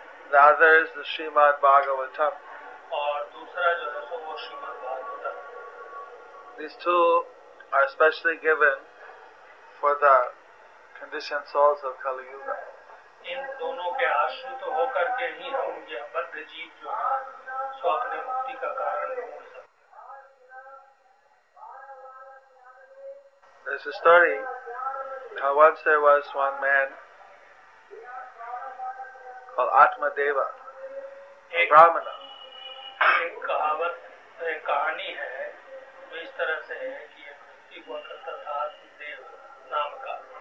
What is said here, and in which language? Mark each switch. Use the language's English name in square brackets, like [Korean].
[English] The other is the Srimad Bhagavatam. [Hindi] और दूसरा जो है वो Shrimad Bhagavatam. [English] These two are specially given for the conditioned souls of Kali Yuga. [Hindi] इन दोनों के आश्रित होकर के ही हम यह बद्ध जीव जो है सो अपने मुक्ति का कारण ढूंढ सकते. [English] There's a story. How once there was one man called Atmadeva, a Brahmana. [Hindi] एक कहावत एक कहानी है वो इस तरह से है कि एक व्यक्ति हुआ करता था आत्मदेव नाम का.